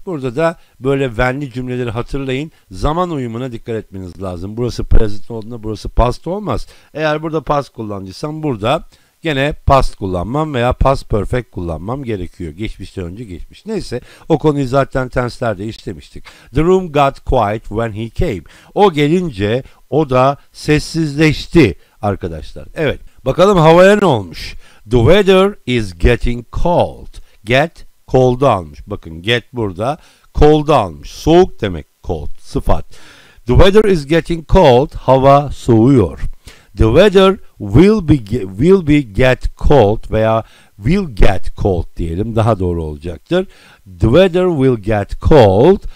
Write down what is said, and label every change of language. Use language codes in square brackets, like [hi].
[tr] Burada da böyle when'li cümleleri hatırlayın. Zaman uyumuna dikkat etmeniz lazım. Burası present olduğunda burası past olmaz. Eğer burada past kullanacaksam burada gene past kullanmam veya past perfect kullanmam gerekiyor. Geçmişten önce geçmiş. Neyse, o konuyu zaten tenslerde işlemiştik. [en] The room got quiet when he came. [tr] O gelince o da sessizleşti arkadaşlar. Evet, bakalım havaya ne olmuş? [en] The weather is getting cold. [tr] Get cold'u almış. Bakın get burada cold'u almış. Soğuk demek cold, sıfat. [en] The weather is getting cold. [tr] Hava soğuyor. [en] The weather will be get cold veya will get cold [tr] diyelim, daha doğru olacaktır. [en] The weather will get cold.